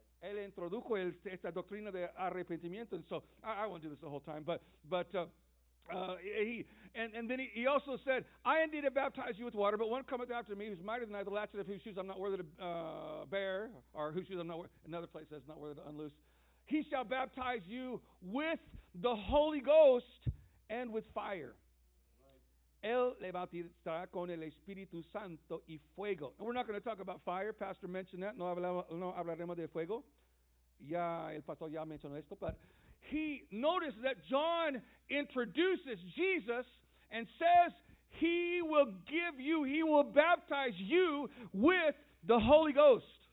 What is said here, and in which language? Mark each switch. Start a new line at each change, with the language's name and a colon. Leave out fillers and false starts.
Spanish: Él introdujo esta doctrina de arrepentimiento.
English: And so, I won't do this the whole time, but then he also said, I indeed have baptized you with water, but one cometh after me who is mightier than I, the latchet of whose shoes I'm not worthy to bear, or whose shoes I'm not worthy, another place that's not worthy to unloose. He shall baptize you with the Holy Ghost and with fire. Right.
Spanish: Él le bautizará con el Espíritu Santo y fuego.
English: And we're not going to talk about fire. Pastor mentioned that.
Spanish: No hablaremos de fuego. Ya el pastor ya mencionó esto.
English: But he noticed that John introduces Jesus and says he will give you, he will baptize you with the Holy Ghost.